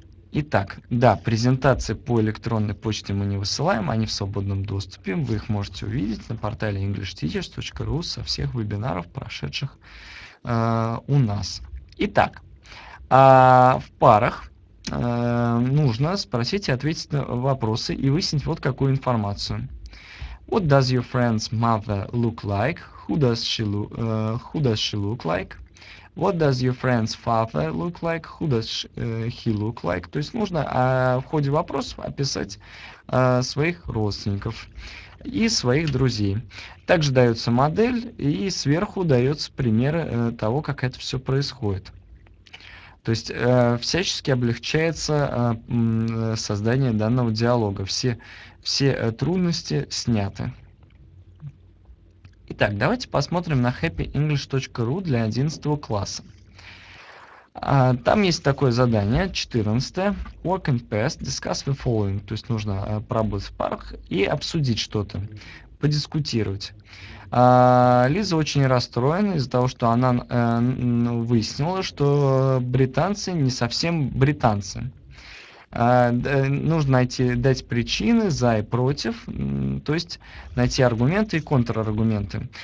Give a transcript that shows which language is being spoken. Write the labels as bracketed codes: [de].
[ru] Итак, да, презентации по электронной почте мы не высылаем, они в свободном доступе. Вы их можете увидеть на портале englishteachers.ru со всех вебинаров, прошедших у нас. Итак, в парах нужно спросить и ответить на вопросы и выяснить вот какую информацию. [en] What does your friend's mother look like? Who does she look like? What does your friend's father look like? Who does he look like? [ru] То есть нужно в ходе вопросов описать своих родственников и своих друзей. Также дается модель и сверху даются примеры того, как это все происходит. То есть всячески облегчается создание данного диалога. Все трудности сняты. Итак, давайте посмотрим на happyenglish.ru для 11 класса. Там есть такое задание, 14. [en] Work in pairs, discuss the following. [ru] То есть нужно поработать в парах и обсудить что-то, подискутировать. Лиза очень расстроена из-за того, что она выяснила, что британцы не совсем британцы. Нужно дать причины за и против, то есть найти аргументы и контраргументы.